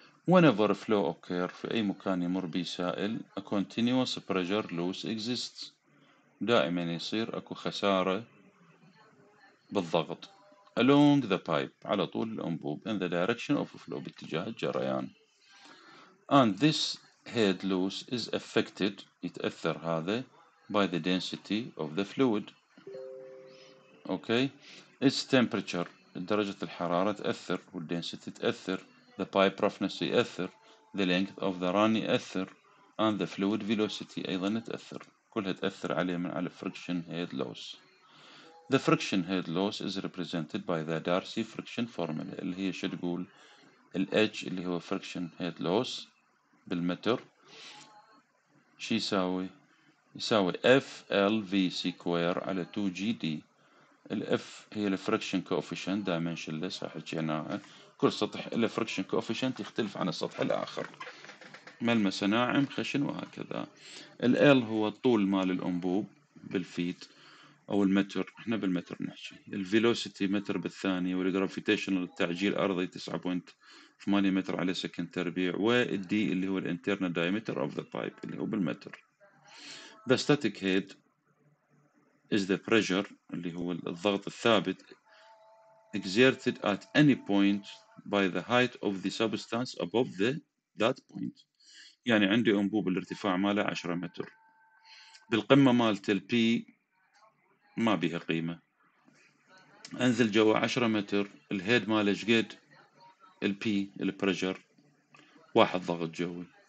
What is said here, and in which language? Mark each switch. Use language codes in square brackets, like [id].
[en] whenever flow occur [ar] في اي مكان يمر به سائل [en] a continuous pressure loss exists، [ar] دائما يصير اكو خسارة بالضغط [en] along the pipe [ar] على طول الأنبوب [en] in the direction of flow [ar] باتجاه الجريان. [en] And this head loss is affected، [ar] يتأثر هذا [en] by the density of the fluid. Okay. Its temperature، [ar] درجة الحرارة تأثر، [en] وال density تأثر، the pipe roughness يأثر، the length of the run يأثر، and the fluid velocity أيضا تأثر، [ar] كلها تأثر عليه من على [en] friction head loss. The friction head loss is represented by the Darcy friction formula اللي هي شو تقول ال H اللي هو friction head loss بالمتر شي يساوي، يساوي F L V سكوير على 2 G D. [ar] ال F هي ال friction coefficient dimensionless راح حكيناها، كل سطح ال friction coefficient يختلف عن السطح الآخر، ملمسه ناعم خشن وهكذا. ال L هو الطول مال الأنبوب بالفيت أو المتر، إحنا بالمتر نحكي، الفيلوسيتي متر بالثانية، والجرافيتيشنال التعجيل أرضي 9.8 متر على سكند تربيع، والدي اللي هو الانترنال دايمتر أوف ذا بايب اللي هو بالمتر. [en] The static head is the pressure [ar] اللي هو الضغط الثابت [en] exerted at any point by the height of the substance above the that point. [ar] يعني عندي أنبوب الارتفاع ماله 10 متر بالقمة مالت ال P ما بيها قيمة، أنزل جوا 10 متر الهيد ماله شقد ال P ال pressure واحد ضغط جوي.